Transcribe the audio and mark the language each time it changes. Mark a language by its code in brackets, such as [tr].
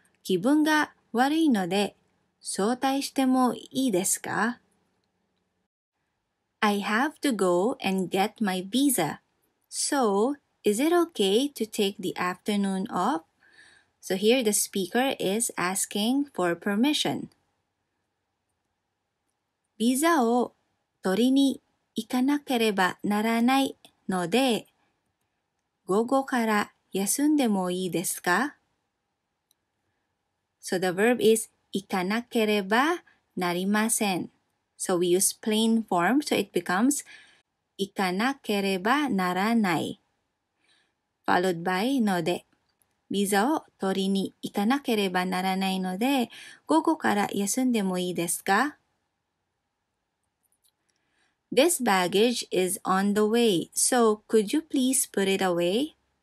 [ja] 気分が悪いので、早退してもいいですか? [en] I have to go and get my visa. So... Is it okay to take the afternoon off? So here the speaker is asking for permission. [ja] ビザを取りに行かなければならないので、午後から休んでもいいですか? [en] So the verb is 行かなければなりません。 So we use plain form, so it becomes [ja] 行かなければならない。 [en] Followed by ので。 [ja] ビザを取りに行かなければならないので、午後から休んでもいいですか? [en] This baggage is on the way, so could you please put it away?